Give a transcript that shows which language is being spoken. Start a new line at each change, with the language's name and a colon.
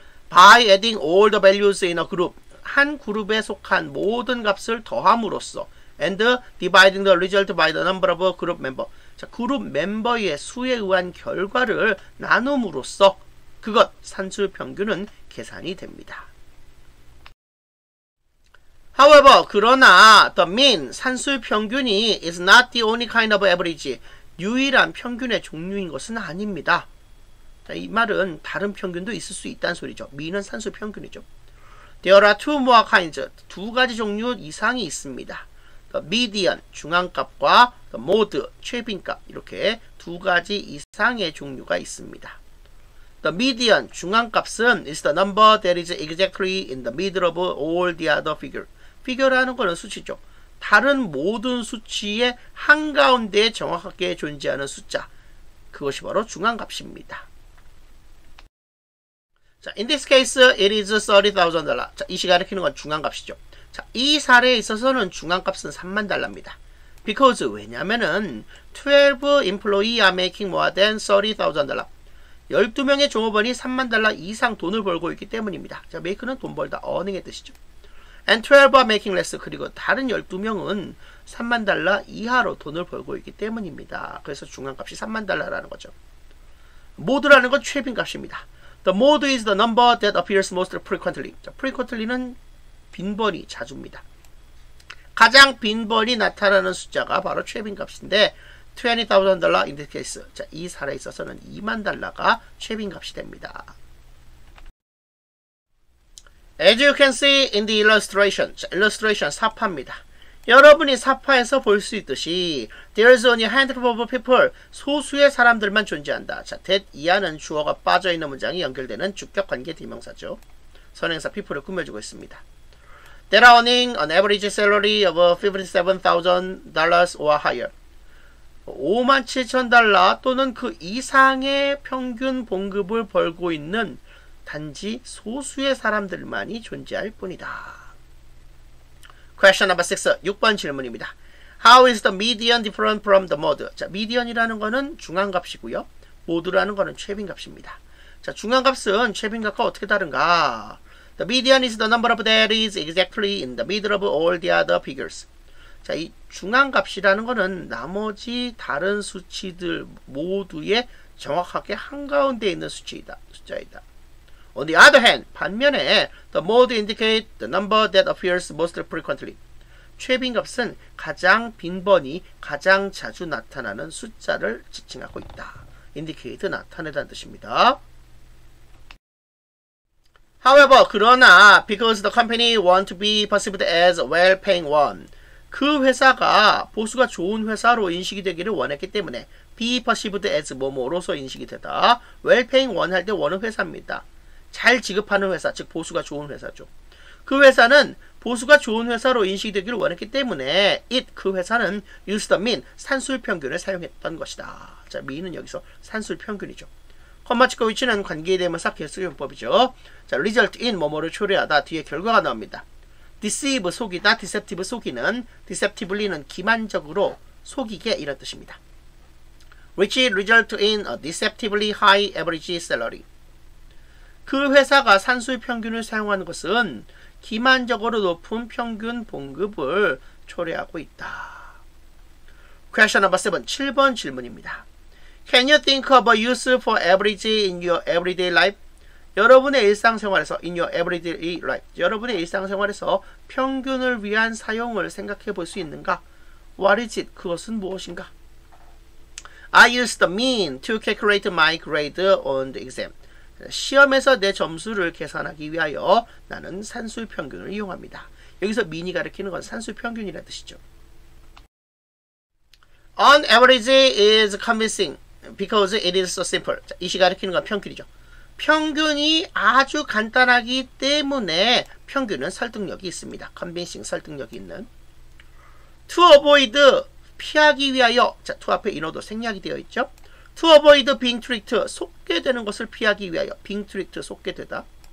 English: By adding all the values in a group.
Korean: 한 그룹에 속한 모든 값을 더함으로써
English: and dividing the result by the number of group member.
Korean: 자, 그룹 멤버의 수에 의한 결과를 나눔으로써 그것 산술평균은 계산이 됩니다.
English: However,
Korean: 그러나
English: the mean,
Korean: 산술평균이
English: is not the only kind of average.
Korean: 유일한 평균의 종류인 것은 아닙니다. 자, 이 말은 다른 평균도 있을 수 있다는 소리죠. mean은 산술평균이죠.
English: There are two more kinds.
Korean: 두 가지 종류 이상이 있습니다.
English: The median,
Korean: 중앙값과
English: the mode,
Korean: 최빈값. 이렇게 두 가지 이상의 종류가 있습니다.
English: The median,
Korean: 중앙값은
English: is the number that is exactly in the middle of all the other figures.
Korean: figure라는 것은 수치죠. 다른 모든 수치의 한가운데 정확하게 존재하는 숫자. 그것이 바로 중앙값입니다.
English: 자, in this case, it is $30,000.
Korean: 자, 이 시 가리키는 건 중앙값이죠. 자, 이 사례에 있어서는 중앙값은 $30,000입니다.
English: Because,
Korean: 왜냐면은,
English: 12 employees are making more than $30,000.
Korean: 12명의 종업원이 $30,000 이상 돈을 벌고 있기 때문입니다. 자, make는 돈 벌다, earning의 뜻이죠.
English: And 12 are making less.
Korean: 그리고 다른 12명은 $30,000 이하로 돈을 벌고 있기 때문입니다. 그래서 중앙값이 $30,000라는 거죠. mode라는 건 최빈값입니다.
English: The mode is the number that appears most frequently.
Korean: 자, frequently는 빈번히 자주입니다. 가장 빈번히 나타나는 숫자가 바로 최빈값인데 $20,000
English: in this case.
Korean: 자, 이 사례에 있어서는 $20,000가 최빈값이 됩니다.
English: As you can see in the illustration. 자, illustration
Korean: 사파입니다. 여러분이 사파에서 볼 수 있듯이
English: There is only a handful of people.
Korean: 소수의 사람들만 존재한다. 자, that 이하는 주어가 빠져있는 문장이 연결되는 주격관계 대명사죠. 선행사 people을 꾸며주고 있습니다.
English: They are earning an average salary of $57,000 or higher.
Korean: 57,000달러 또는 그 이상의 평균 봉급을 벌고 있는 단지 소수의 사람들만이 존재할 뿐이다.
English: Question number 6.
Korean: 6번 질문입니다.
English: How is the median different from the mode?
Korean: 자, median이라는 거는 중앙값이고요. mode라는 거는 최빈값입니다. 자, 중앙값은 최빈값과 어떻게 다른가?
English: The median is the number of that is exactly in the middle of all the other figures.
Korean: 자, 이 중앙값이라는 거는 나머지 다른 수치들 모두의 정확하게 한가운데 있는 수치이다. 숫자이다.
English: On the other hand,
Korean: 반면에
English: the mode indicates the number that appears most frequently.
Korean: 최빈값은 가장 빈번히 가장 자주 나타나는 숫자를 지칭하고 있다. indicate 나타내다는 뜻입니다.
English: However,
Korean: 그러나,
English: because the company want to be perceived as a well-paying one.
Korean: 그 회사가 보수가 좋은 회사로 인식이 되기를 원했기 때문에,
English: be perceived as
Korean: 뭐뭐로서 인식이 되다. well-paying one 할 때 원은 회사입니다. 잘 지급하는 회사, 즉, 보수가 좋은 회사죠. 그 회사는 보수가 좋은 회사로 인식이 되기를 원했기 때문에, it, 그 회사는
English: use the mean,
Korean: 산술 평균을 사용했던 것이다. 자, mean은 여기서 산술 평균이죠. 콤마 찍고 위치는 관계에 대면서 계속 용법이죠. 자, result in 뭐뭐를 초래하다 뒤에 결과가 나옵니다. deceive 속이다, deceptive 속이는 deceptively는 기만적으로 속이게 이런 뜻입니다.
English: which result in a deceptively high average salary.
Korean: 그 회사가 산술 평균을 사용하는 것은 기만적으로 높은 평균 봉급을 초래하고 있다.
English: Question number 7,
Korean: 7번 질문입니다.
English: Can you think of a use for average in your everyday life?
Korean: 여러분의 일상생활에서
English: in your everyday life,
Korean: 여러분의 일상생활에서 평균을 위한 사용을 생각해 볼 수 있는가?
English: What is it?
Korean: 그것은 무엇인가?
English: I use the mean to calculate my grade on the exam.
Korean: 시험에서 내 점수를 계산하기 위하여 나는 산술 평균을 이용합니다. 여기서 mean이 가리키는 건 산술 평균이라는 뜻이죠.
English: On average is convincing because it is so simple.
Korean: 자, 이시 가리키는 건 평균이죠. 평균이 아주 간단하기 때문에 평균은 설득력이 있습니다. convincing 설득력이 있는.
English: To avoid
Korean: 피하기 위하여 자, to 앞에 인어도 생략이 되어 있죠.
English: To avoid being tricked,
Korean: 속게 되는 것을 피하기 위하여,
English: being tricked,
Korean: 속게 되다.